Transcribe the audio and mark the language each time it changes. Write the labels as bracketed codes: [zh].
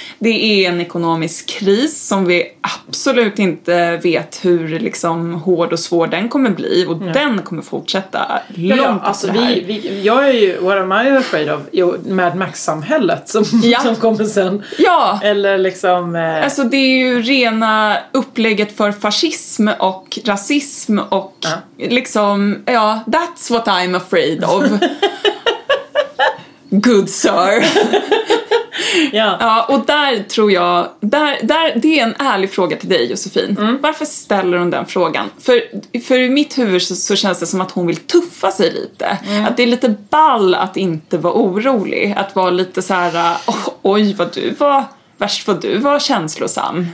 [sv] Det är en ekonomisk kris som vi absolut inte vet hur liksom hård och svår den kommer bli, och den kommer fortsätta långt efter alltså, jag är ju, [en] what am I afraid of? [sv] Jo, Mad Max-samhället som kommer sen. Ja. Eller liksom, alltså det är ju rena upplägget för fascism och rasism. Och liksom, ja, [en] that's what I'm afraid of. Good sir. Yeah. [sv] Ja. Och där tror jag, det är en ärlig fråga till dig, Josefin. Varför ställer hon den frågan? För i mitt huvud så känns det som att hon vill tuffa sig lite. Att det är lite ball att inte vara orolig. Att vara lite så här, oj vad du var, värst vad du var känslosam.